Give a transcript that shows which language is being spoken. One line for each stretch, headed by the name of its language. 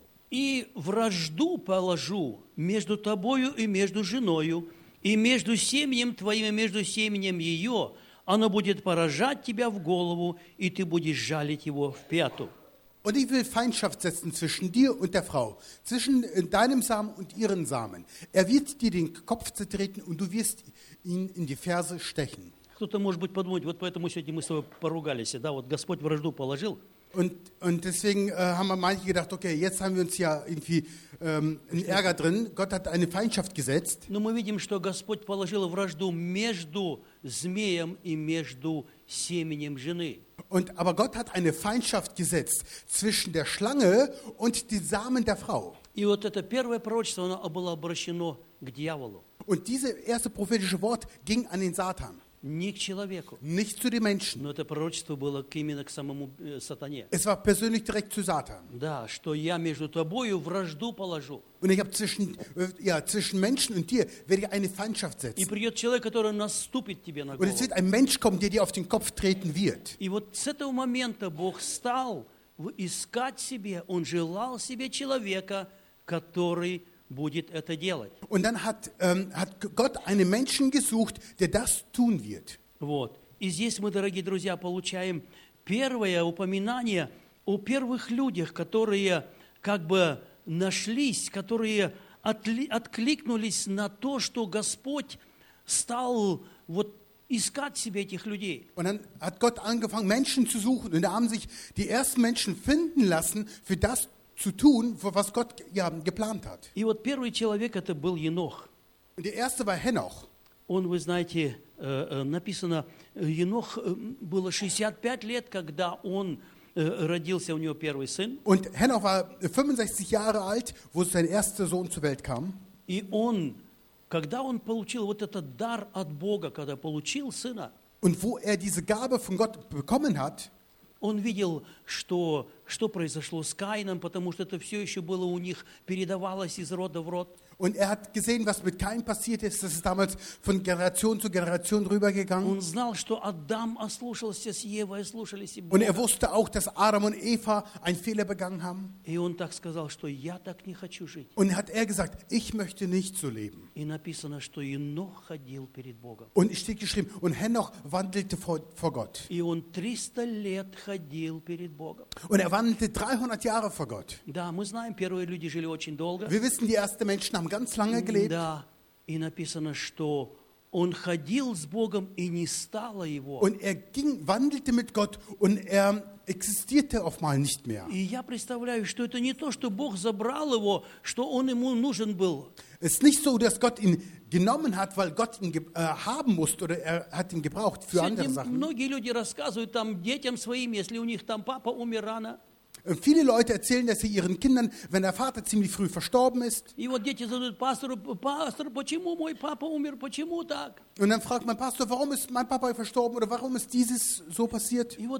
Russian: И вражду положу между тобою и между женою, и между семенем твоим и между семенем ее. Оно будет поражать тебя в голову, и ты будешь жалить его в пяту.
German: Und ich will Feindschaft setzen zwischen dir und der Frau, zwischen deinem Samen und ihren Samen. Wird dir den Kopf zertreten, und du wirst ihn in die Ferse stechen.
Russian: Кто-то может быть подумать, вот поэтому сегодня мы с тобой поругались, да, вот Господь вражду положил.
German: Und deswegen haben wir manche gedacht, okay, jetzt haben wir uns ja irgendwie einen Ärger drin. Gott hat eine Feindschaft gesetzt.
Russian: Но мы видим, что Господь положил вражду между змеем и между семенем жены.
German: Und aber Gott hat eine Feindschaft gesetzt zwischen der Schlange und den Samen der Frau.
Russian: И вот это первое пророчество, оно было обращено к дьяволу.
German: Und dieses erste prophetische Wort ging an den Satan.
Russian: Не к человеку.
German: Nicht zu den Menschen.
Russian: Но это пророчество было именно к самому сатане.
German: Es war persönlich direkt zu Satan.
Russian: Да, что я между тобою вражду положу.
German: Und ich habe zwischen Menschen und dir werde ich eine Feindschaft setzen.
Russian: И придет человек, который наступит тебе на голову.
German: Und es wird ein Mensch kommen, der dir auf den Kopf treten wird.
Russian: И вот с этого момента Бог стал искать себе, он желал себе человека, который будет это делать.
German: Und dann hat Gott einen Menschen gesucht, der das tun wird.
Russian: Вот. И здесь мы, дорогие друзья, получаем первое упоминание о первых людях, которые как бы нашлись, которые откликнулись на то, что Господь стал вот искать себе этих людей.
German: Und dann hat Gott angefangen, Menschen zu suchen, und da haben sich die ersten Menschen finden lassen für das zu tun, was Gott ja geplant hat.
Russian: И вот первый человек это был Енох.
German: Und der erste war Henoch.
Russian: Он, вы знаете, написано, Енох было 65 лет, когда он родился, у него первый сын.
German: Und Henoch war 65 Jahre alt, wo sein erster Sohn zur Welt kam.
Russian: И он, когда он получил вот этот дар от Бога, когда получил сына.
German: Und wo diese Gabe von Gott bekommen hat.
Russian: Он видел, что что произошло с Каином, потому что это все еще было у них, передавалось из рода в род.
German: Und er hat gesehen, was mit Kain passiert ist, das ist damals von Generation zu Generation rübergegangen.
Russian: Он знал, что Адам ослушался с Евой, ослушались и Бога.
German: Und er wusste auch, dass Adam und Eva einen Fehler begangen haben.
Russian: И он так сказал, что я так не хочу жить.
German: Und hat er gesagt, ich möchte nicht so leben.
Russian: И написано, что Енох ходил перед Богом.
German: Und steht geschrieben, und Henoch wandelte vor Gott.
Russian: И он 300 лет ходил перед Богом.
German: Und er wandelte 300 Jahre vor Gott.
Russian: Да, мы знаем, первые люди жили очень долго.
German: Wir wissen, die ersten Menschen haben ganz lange gelebt.
Russian: Да, и написано, что он ходил с Богом и не стало его.
German: Und er ging, wandelte mit Gott und er existierte auf einmal nicht mehr.
Russian: И я представляю, что это не то, что Бог забрал его, что он ему нужен был.
German: Es ist nicht so, dass Gott ihn genommen hat, weil Gott ihn haben musste oder er hat ihn gebraucht für andere Sachen.
Russian: Многие люди рассказывают там детям своим, если у них там папа умер рано.
German: Viele Leute erzählen, dass sie ihren Kindern, wenn der Vater ziemlich früh verstorben ist, und dann fragt man Pastor, warum ist mein Papa verstorben oder warum ist dieses so passiert?